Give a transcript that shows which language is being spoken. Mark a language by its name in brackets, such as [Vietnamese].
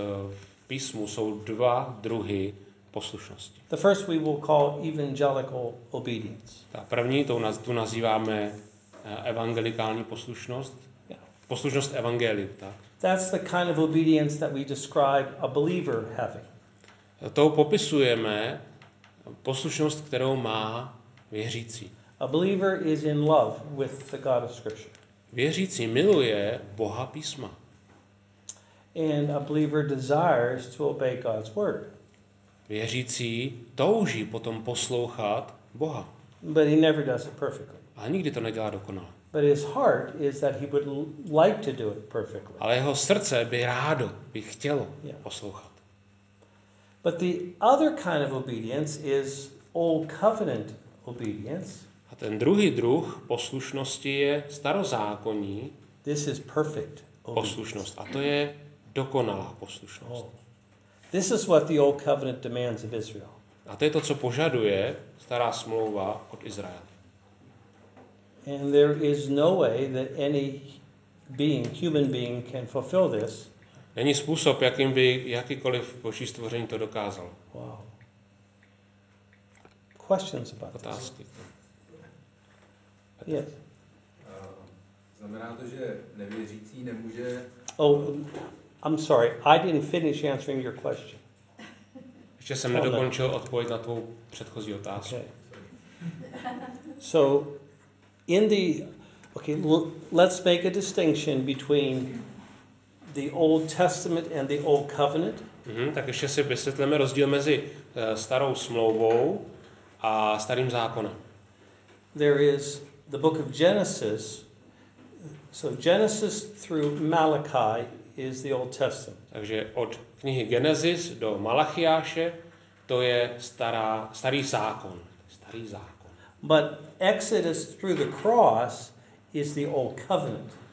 [Czech] V písmu jsou dva druhy poslušnosti. [English] The first we will call evangelical obedience. [Czech] Ta první, tu nazýváme evangelikální poslušnost. Poslušnost evangeliu, tak. [English] That's the kind of obedience that we describe a believer having. [Czech] To popisujeme poslušnost, kterou má věřící. [English] A believer is in love with the God of Scripture. [Czech] Věřící miluje Boha písma. [English] And a believer desires to obey God's word. [Czech] Věřící touží potom poslouchat Boha. [English] But he never does it perfectly. [Czech] A nikdy to nedělá dokonale. [English] But his heart is that he would like to do it perfectly. [Czech] Ale jeho srdce by rádo, by chtělo poslouchat. [English] But the other kind of obedience is old covenant obedience. [Czech] A ten druhý druh poslušnosti je starozákonní. [English] This is perfect obedience. [Czech] Poslušnost. A to je dokonalá poslušnost. [English] This is what the old covenant demands of Israel. [Czech] A to je to, co požaduje stará smlouva od Izraele. [English] And there is no way that any being, human being, can fulfill this. [Czech] Není způsob, jakým by jakýkoliv boží stvoření to dokázal. Wow. [English] Questions about this? [Czech] Otázky. [English] Yes. [Czech] Znamená to, že nevěřící nemůže... [English] Oh, I'm sorry. I didn't finish answering your question. [Czech] Ještě jsem nedokončil odpověď na tvou předchozí otázku. [English] Okay. So... In the okay, let's make a distinction between the Old Testament and the Old Covenant. [Czech] Tak ještě si vysvětleme rozdíl mezi starou smlouvou a starým zákonem. [English] There is the book of Genesis. So Genesis through Malachi is the Old Testament. [Czech] Takže od knihy Genesis do Malachiáše to je starý zákon. Starý zákon. [English] But Exodus through the cross is the old covenant.